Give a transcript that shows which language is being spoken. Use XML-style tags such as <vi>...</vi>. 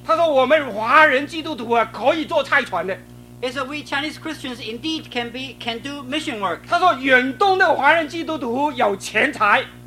<zh>他说我们华人基督徒啊可以做菜船的。</zh> <en>He said we Chinese Christians indeed can do mission work.</en> <zh>他说远东的华人基督徒有钱财。</zh>